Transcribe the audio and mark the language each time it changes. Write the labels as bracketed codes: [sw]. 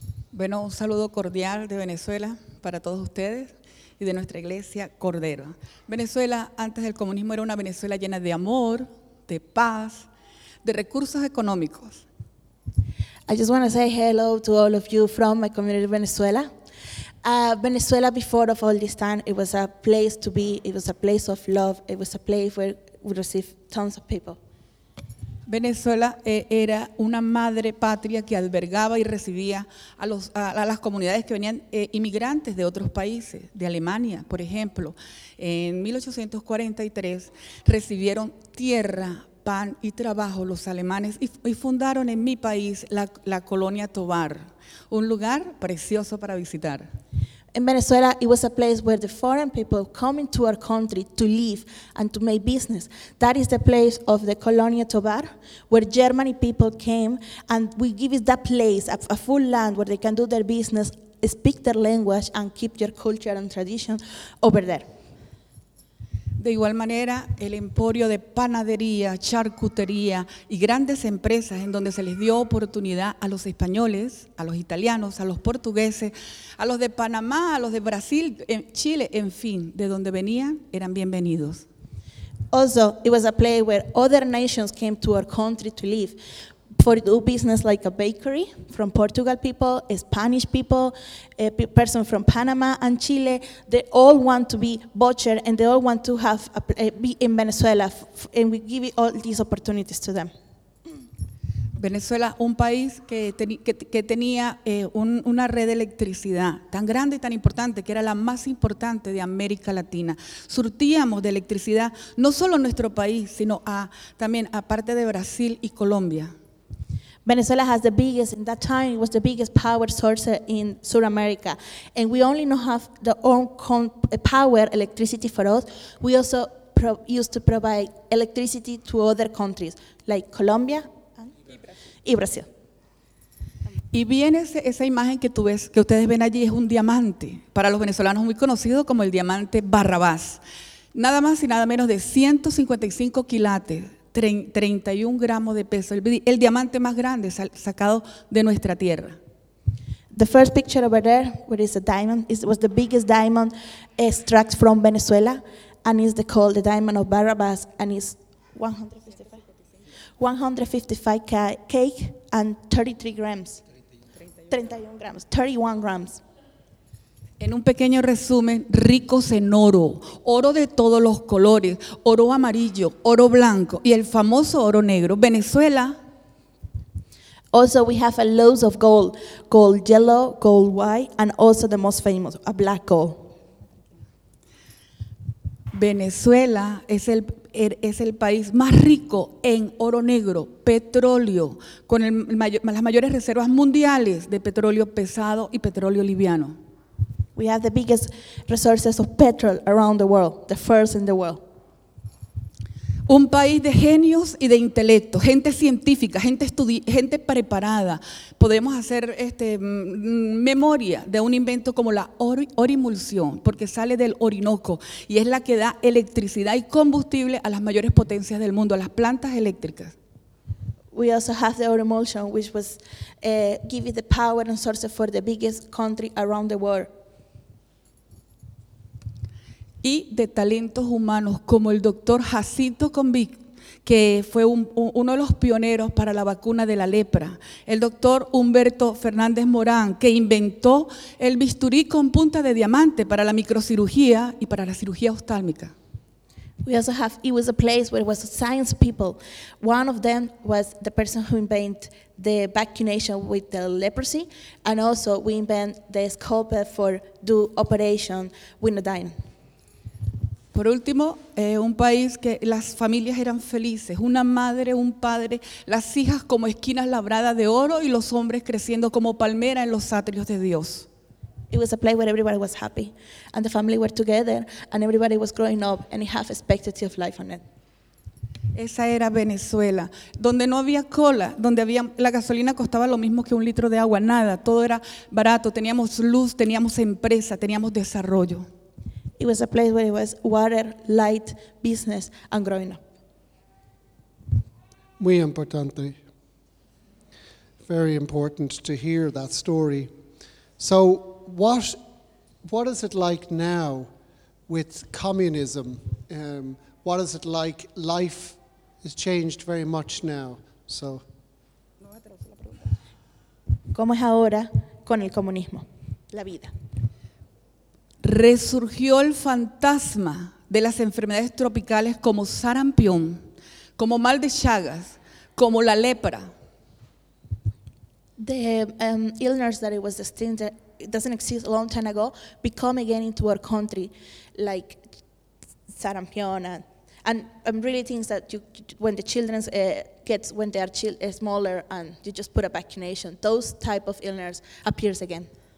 [es] Bueno, un saludo cordial de Venezuela para todos ustedes y de nuestra iglesia Cordero. Venezuela antes del comunismo era una Venezuela llena de amor, de paz, de recursos económicos. [en] I just want to say hello to all of you from my community, Venezuela. Venezuela, before of all this time, it was a place to be, it was a place of love, it was a place where we received tons of people. [es] Venezuela era una madre patria que albergaba y recibía a las comunidades que venían inmigrantes de otros países, de Alemania, por ejemplo. En 1843 recibieron tierra, pan y trabajo los alemanes y fundaron en mi país la colonia Tovar, un lugar precioso para visitar. [en] In Venezuela, it was a place where the foreign people come into our country to live and to make business. That is the place of the Colonia Tovar, where Germany people came, and we give it that place, a full land where they can do their business, speak their language, and keep their culture and tradition over there. [es] De igual manera, el emporio de panadería, charcutería y grandes empresas en donde se les dio oportunidad a los españoles, a los italianos, a los portugueses, a los de Panamá, a los de Brasil, en Chile, en fin, de donde venían, eran bienvenidos. [en] Also, it was a place where other nations came to our country to live for do business like a bakery, from Portugal people, Spanish people, a person from Panama and Chile, they all want to be butcher and they all want to have be in Venezuela and we give all these opportunities to them. [es] Venezuela, un país que tenía una red de electricidad tan grande y tan importante, que era la más importante de América Latina. Surtíamos de electricidad no solo nuestro país, sino también a parte de Brasil y Colombia. [en] Venezuela has the biggest, in that time, it was the biggest power source in South America. And we only not have the own power, electricity for us. We also used to provide electricity to other countries, like Colombia y Brasil. [es] Y bien esa imagen que tú ves, que ustedes ven allí, es un diamante. Para los venezolanos muy conocido como el diamante Barrabás. Nada más y nada menos de 155 quilates. 31 gramos de peso, el diamante más grande sacado de nuestra tierra. [en] The first picture over there, where is a diamond, it was the biggest diamond extract from Venezuela, and it's called the diamond of Barrabás, and it's 155 cake and 33 grams. 31 grams. 31 grams. [es] En un pequeño resumen, ricos en oro, oro de todos los colores, oro amarillo, oro blanco y el famoso oro negro. Venezuela. [en] Also, we have a loads of gold, gold yellow, gold white, and also the most famous, a black gold. [es] Venezuela es el país más rico en oro negro, petróleo, con las mayores reservas mundiales de petróleo pesado y petróleo liviano. [en] We have the biggest resources of petrol around the world, the first in the world. [es] Un país de genios y de intelecto, gente científica, gente preparada. Podemos hacer memoria de un invento como la orimulsión, porque sale del Orinoco y es la que da electricidad y combustible a las mayores potencias del mundo, a las plantas eléctricas. [en] We also have the orimulsión, which was giving the power and sources for the biggest country around the world. [es] Y de talentos humanos como el doctor Jacinto Convic, que fue uno de los pioneros para la vacuna de la lepra, el doctor Humberto Fernández Morán, que inventó el bisturí con punta de diamante para la microcirugía y para la cirugía oftálmica. [en] We also have, it was a place where it was science people. One of them was the person who invented the vaccination with the leprosy, and also we invented the scope for do operation with the dying. [es] Por último, un país que las familias eran felices, una madre, un padre, las hijas como esquinas labradas de oro y los hombres creciendo como palmera en los atrios de Dios. [en] It was a place where everybody was happy, and the family were together, and everybody was growing up, and it had expectancy of life on it. [es] Esa era Venezuela, donde no había cola, donde había, la gasolina costaba lo mismo que un litro de agua, nada, todo era barato, teníamos luz, teníamos empresa, teníamos desarrollo. [en] It was a place where it was water, light, business, and growing up. [es] Muy importante. [en] Very important to hear that story. So, what is it like now with communism? What is it like? Life has changed very much now. So, [es] ¿cómo es ahora con el comunismo? La vida. Resurgió el fantasma de las enfermedades tropicales como sarampión, como mal de Chagas, como la lepra. [en] The illness that it was extinct, it doesn't exist a long time ago, become again into our country, like sarampión, and really things that you, when the children gets, when they are smaller and you just put a vaccination, those type of illness appears again.